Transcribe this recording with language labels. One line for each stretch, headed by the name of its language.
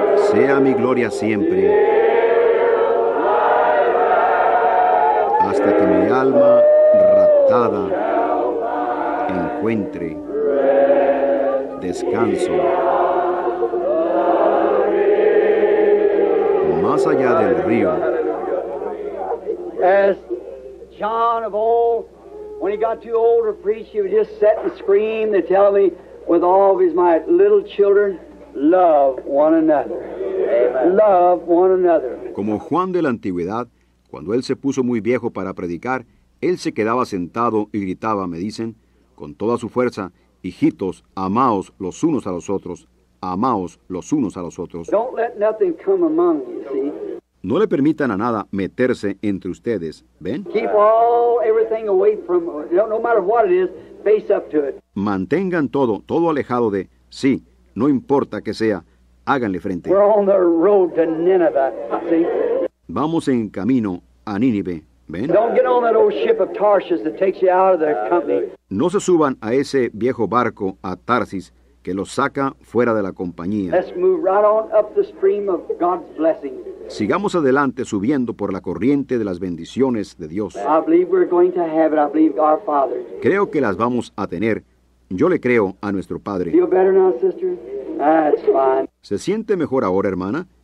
Spanish: Sea mi gloria siempre, hasta que mi alma raptada encuentre descanso más allá del río.
English: As John of old, when he got too old to preach, he would just sit and scream and tell me with all of his might, little children, love one another. Love one another.
Spanish: Como Juan de la Antigüedad, cuando él se puso muy viejo para predicar, él se quedaba sentado y gritaba, me dicen, con toda su fuerza, hijitos, amaos los unos a los otros, amaos los unos a los otros.
English: Don't let nothing come among you, see?
Spanish: No le permitan a nada meterse entre ustedes, ¿ven?
English: Keep all, everything away from, no matter what it is, face up to it.
Spanish: Mantengan todo, todo alejado de, sí, no importa que sea, háganle frente.
English: We're on the road to Nineveh, see?
Spanish: Vamos en camino a Nínive, ¿ven?
English: Don't get on that old ship of Tarshish that takes you out of the company.
Spanish: No se suban a ese viejo barco a Tarsis que los saca fuera de la compañía.
English: Let's move right on up the stream of God's blessing.
Spanish: Sigamos adelante subiendo por la corriente de las bendiciones de Dios.
English: I believe we're going to have it. I believe our Father.
Spanish: Creo que las vamos a tener. Yo le creo a nuestro Padre.
English: Feel better now, sister? That's fine.
Spanish: ¿Se siente mejor ahora, hermana?